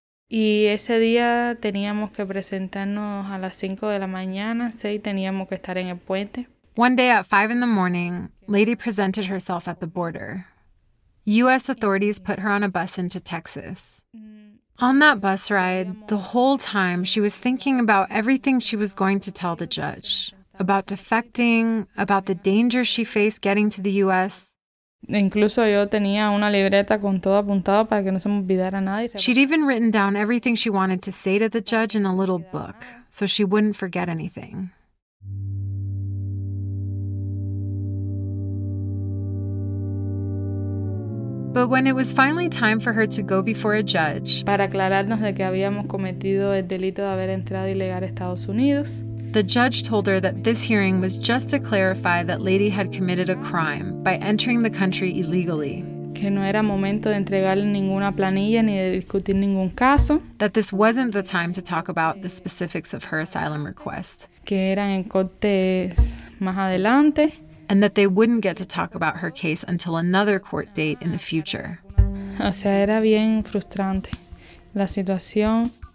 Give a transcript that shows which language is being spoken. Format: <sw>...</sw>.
<es>Y ese día teníamos que presentarnos a las 5 de la mañana, 6, teníamos que estar en el puente.</es> <en>One day at 5 in the morning, Lady presented herself at the border. U.S. authorities put her on a bus into Texas. On that bus ride, the whole time, she was thinking about everything she was going to tell the judge. About defecting, about the danger she faced getting to the U.S. She'd even written down everything she wanted to say to the judge in a little book, so she wouldn't forget anything. But when it was finally time for her to go before a judge,</en> <es>para aclararnos de que habíamos cometido el delito de haber entrado ilegal a Estados Unidos,</es> <en>the judge told her that this hearing was just to clarify that Lady had committed a crime by entering the country illegally.</en> <es>Que no era momento de entregarle ninguna planilla ni de discutir ningún caso.</es> <en>That this wasn't the time to talk about the specifics of her asylum request.</en> <es>Que eran en cortes más adelante.</es> <en>And that they wouldn't get to talk about her case until another court date in the future.</en> <es>O sea, era bien frustrante la situación.</es>